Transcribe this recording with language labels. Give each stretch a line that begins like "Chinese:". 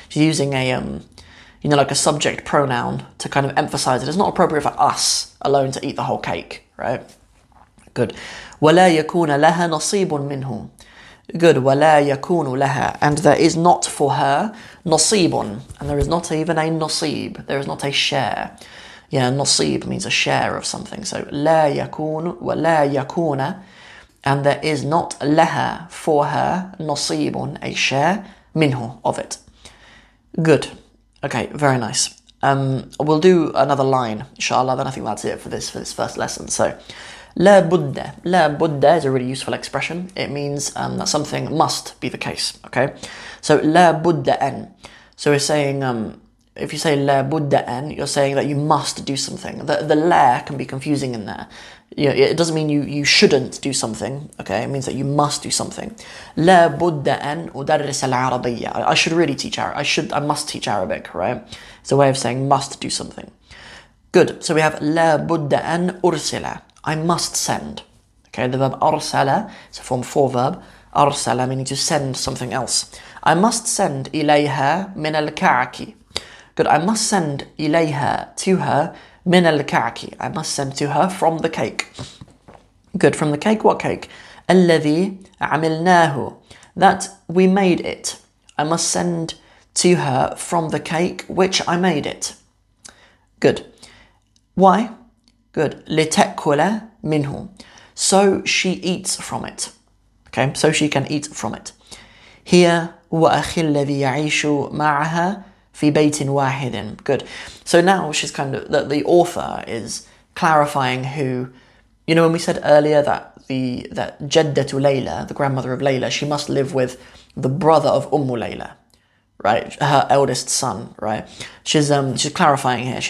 English: She's using a, you know, like a subject pronoun to kind of emphasize that it's not appropriate for us alone to eat the whole cake, right?
Arabic: Good. وَلَا يَكُونَ لَهَا نَصِيبٌ مِنْهُ. Good. وَلَا يَكُونُ لَهَا.
English: And there is not for her نَصِيبٌ. And there is not even a نَصِيب. There is not a share. Yeah, نَصِيب means a share of something.
Arabic: So لَا يَكُونُ وَلَا يَكُونَ.
English: And there is not لَهَا for her نَصِيبٌ, a share مِنْهُ of it. Good. Okay, very nice. We'll do another line, inshallah, then I think that's it for this first lesson. So, لا بد is a really useful expression. It means that something must be the case, okay?
Arabic: So, لا بد أن.
English: So we're saying, if you say لا بد أن, you're saying that you must do something. The لا can be confusing in there. You know, it doesn't mean you shouldn't do something, okay? It means that you must do something.
Arabic: لا بد أن أدرس العربية.
English: I must teach Arabic, right? It's a way of saying must do something. Good. So we have
Arabic: لا بد أن أرسل.
English: I must send. Okay, the verb أرسل, it's a form 4 verb. أرسل meaning to send something else. I must send
Arabic: إليها من الكعك.
English: Good, I must send إليها to her من الكعك. I must send to her from the cake. Good, from the cake, what cake?
Arabic: الذي عملناه.
English: That we made it. I must send to her from the cake which I made it. Good. Why? Good.
Arabic: لتأكل منه.
English: So she eats from it. Okay, so she can eat from it.
Arabic: هي وأخي الذي يعيش معها في بيت واحد.
English: Good. So now she's kind of, the author is clarifying who, you know, when we said earlier that that جدت ليلى, the grandmother of ليلى, she must live with the brother of أم ليلى. Right? Her eldest son, right? She's clarifying here.